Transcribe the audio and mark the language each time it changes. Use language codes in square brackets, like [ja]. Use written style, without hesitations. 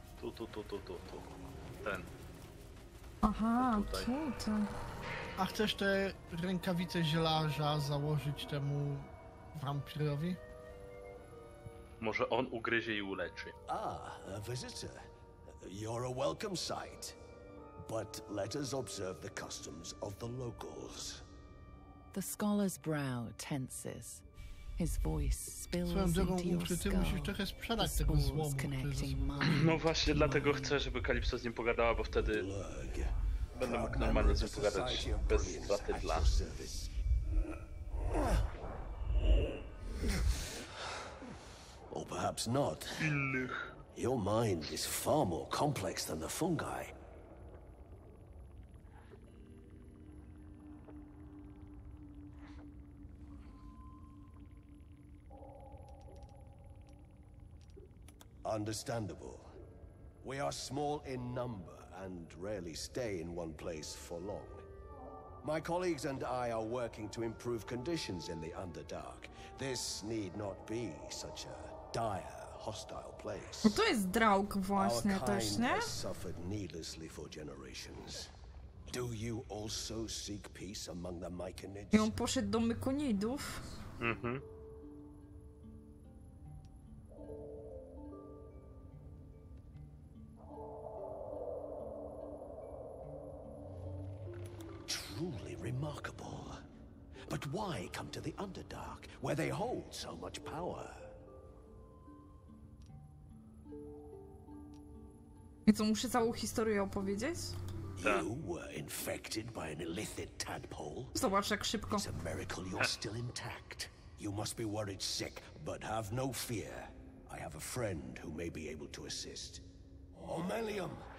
[pl] Tu. Ten. Aha, tutaj. A chcesz te rękawice zielarza założyć temu wampirowi? Może on ugryzie i uleczy. [en] Ah, a visitor. You're a welcome sight. But let us observe the customs of the locals. The scholar's brow tenses. His voice spills into your skull. [pl] Swoją drogą, ukryty, musisz trochę sprzedać tego złomu. No właśnie, dlatego chcę, żeby Kalipso z nim pogadała, bo wtedy... Będę mógł normalnie z nim pogadać bez straty dla. [en] Or perhaps not. [pl] Innych. [en] Your mind is far more complex than the fungi. Understandable. We are small in number and rarely stay in one place for long. My colleagues and I are working to improve conditions in the Underdark. This need not be such a dire, hostile place. [pl] No to jest draug właśnie też, nie? [en] Our kind has suffered needlessly for generations. Do you also seek peace among the Myconids? [pl] I on poszedł do Mykonidów. [en] Truly remarkable. But why come to the Underdark, where they hold so much power? [pl] I co, muszę całą historię opowiedzieć? [en] You were infected by an illithid tadpole. [pl] Zobacz, jak szybko. [en] It's a miracle you're still intact. You must be worried sick, but have no fear. I have a friend who may be able to assist. Omelium!